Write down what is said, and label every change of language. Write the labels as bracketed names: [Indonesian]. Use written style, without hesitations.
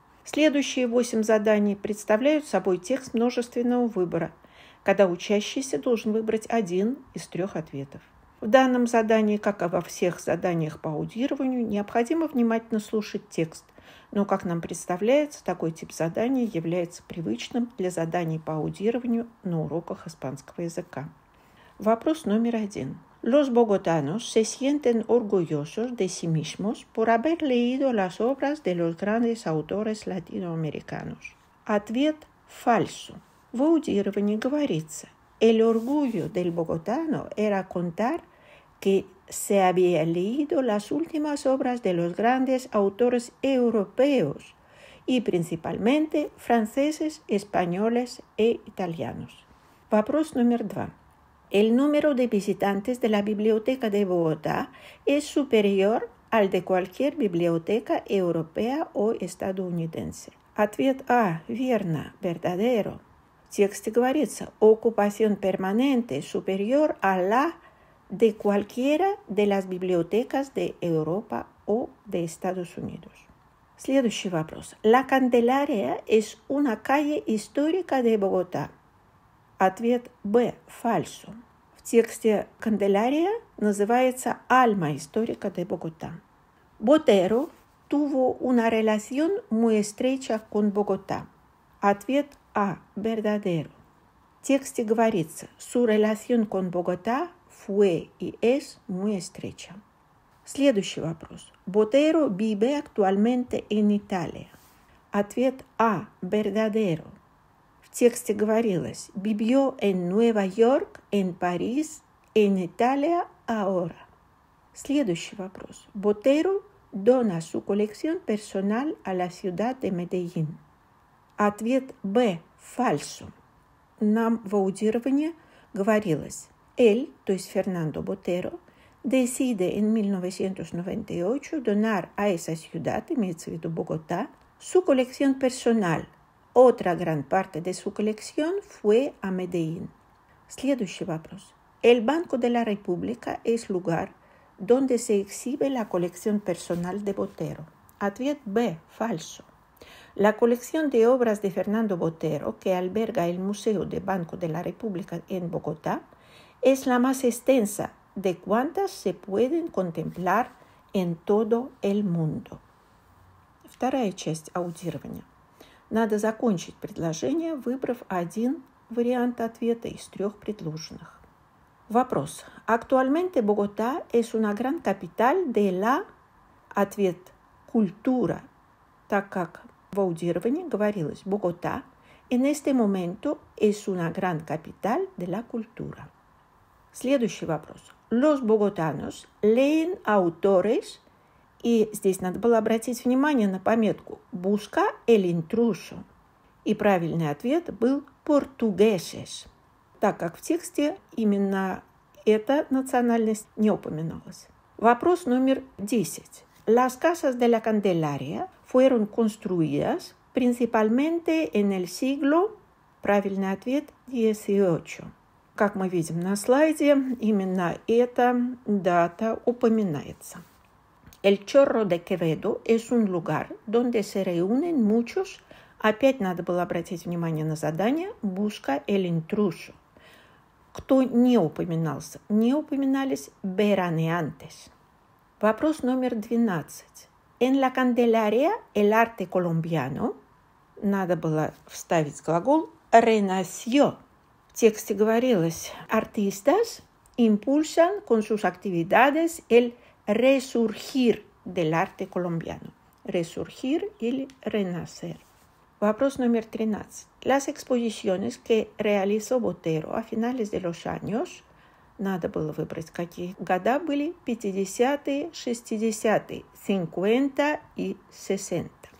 [Russian] Следующие 8 заданий представляют собой текст множественного выбора, когда учащийся должен выбрать один из 3 ответов. В данном задании, как и во всех заданиях по аудированию, необходимо внимательно слушать текст, но, как нам представляется, такой тип задания является привычным для заданий по аудированию на уроках испанского языка. Вопрос номер 1. [Spanish] Los bogotanos se sienten orgullosos de sí mismos por haber leído las obras de los grandes autores latinoamericanos. [Russian] Ответ – фальсо. В аудировании говорится: [Spanish] «El orgullo del bogotano era contar que se había leído las últimas obras de los grandes autores europeos y principalmente franceses, españoles e italianos». [Russian] Вопрос номер 2. [Spanish] El número de visitantes de la biblioteca de Bogotá es superior al de cualquier biblioteca europea o estadounidense. [Russian] Ответ А. Верно. Verdadero. В тексте говорится: [Spanish] ocupación permanente superior a la de cualquiera de las bibliotecas de Europa o de Estados Unidos. [Russian] Следующий вопрос. [Spanish] La Candelaria es una calle histórica de Bogotá. [Russian] Ответ Б. Фальсо. В тексте Канделария называется [Spanish] Alma Histórica de Bogotá. Ботеро tuvo una relación muy estrecha con Bogotá. [Russian] Ответ А. Verdadero. В тексте говорится: [Spanish] su relación con Bogotá fue y es muy estrecha. [Russian] Следующий вопрос. [Spanish] Ботеро vive actualmente en Italia. [Russian] Ответ А. Verdadero. В тексте говорилось: [Spanish] «Vivió en Nueva York, en París, en Italia, ahora». [Russian] Следующий вопрос. [Spanish] Ботеро dona su colección personal a la ciudad de Medellín. [Russian] Ответ Б. Фальсо. Нам в аудировании говорилось: [Spanish] «Él, [Russian] то есть Фернандо Ботеро, [Spanish] decide en 1998 donar a esa ciudad, [Russian] имеется в виду Богота, [Spanish] su colección personal». Otra gran parte de su colección fue a Medellín. [Russian] Следующий вопрос. [Spanish] El Banco de la República es lugar donde se exhibe la colección personal de Botero. [Russian] Ответ Б. Фальсо. [Spanish] La colección de obras de Fernando Botero, que alberga el Museo de Banco de la República en Bogotá, es la más extensa de cuantas se pueden contemplar en todo el mundo. [Russian] Вторая часть аудирования. Надо закончить предложение, выбрав один вариант ответа из 3 предложенных. Вопрос. [Spanish] Actualmente Bogotá es una gran capital de la... [Russian] Ответ. Культура. Так как в аудировании говорилось [Spanish] Bogotá, en este momento es una gran capital de la cultura. Следующий вопрос. Los bogotanos leen autores... [Russian] И здесь надо было обратить внимание на пометку [Spanish] «Busca el intruso». [Russian] И правильный ответ был «Portugueses», так как в тексте именно эта национальность не упоминалась. Вопрос номер 10. [Spanish] Las casas de la Candelaria fueron construidas principalmente en el siglo... [Russian] Правильный ответ XVIII. Как мы видим на слайде, именно эта дата упоминается. [Spanish] El Chorro de Quevedo es un lugar donde se reúnen muchos. [Russian] Опять надо было обратить внимание на задание [Spanish] «Busca el intruso». [Russian] Кто не упоминался? Не упоминались «veraneantes». Вопрос номер 12. [Spanish] En la Candelaria el arte colombiano. [Russian] Надо было вставить глагол «renació». В тексте говорилось: [Spanish] «Artistas impulsan con sus actividades el resurgir del arte colombiano. Resurgir или renacer. [Russian] Вопрос номер 13. [Spanish] Las exposiciones que realizó Botero a finales de los años, [Russian] надо было выбрать, какие года были, 50-е, 60-е, 50 и 60.